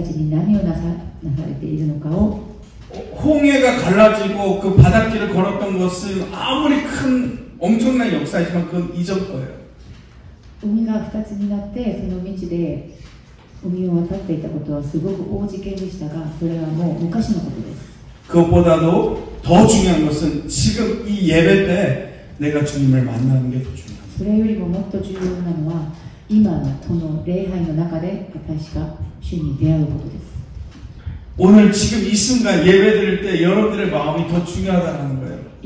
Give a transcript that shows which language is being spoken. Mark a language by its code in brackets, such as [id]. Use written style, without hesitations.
[ja] 今この瞬間主が私たちに何をなされているのかを。 [ko] 홍해가 갈라지고 그 바닷길을 걸었던 것은 아무리 큰 엄청난 역사이지만 그건 잊을 거예요. [ja] 海が二つになってその道で海を渡っていたことはすごく大事件でしたが、それはもう昔のことです。 [ko] 그것보다도 더 중요한 것은 지금 이 예배 때 내가 주님을 만나는 게 더 중요합니다. [ja] それよりももっと重要なのは今のこの礼拝の中で私が主に出会うことです。 [ko] 오늘 지금 이 순간 예배 드릴 때 여러분들의 마음이 더 중요하다는 거예요.